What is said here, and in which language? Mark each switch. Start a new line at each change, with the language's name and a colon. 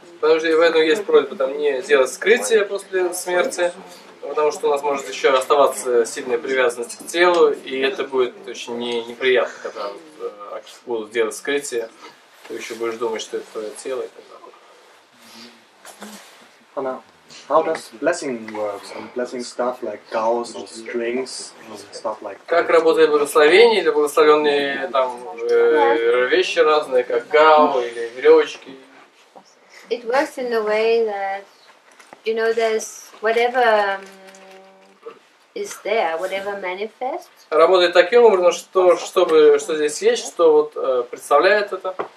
Russian: Потому что в этом есть просьба там не делать скрытие после смерти, потому что у нас может еще оставаться сильная привязанность к телу, и это будет очень неприятно, когда будут делать скрытие, ты еще будешь думать, что это твое тело и так далее.
English: How does blessing works? And blessing stuff like cows or strings and stuff like that.
Russian: Как работает благословение или благословенные там вещи разные, как гау или веревочки?
English: It works in a way that, you know, there's whatever is there, whatever manifests.
Russian: Работает таким образом, что чтобы что здесь есть, что вот представляет это?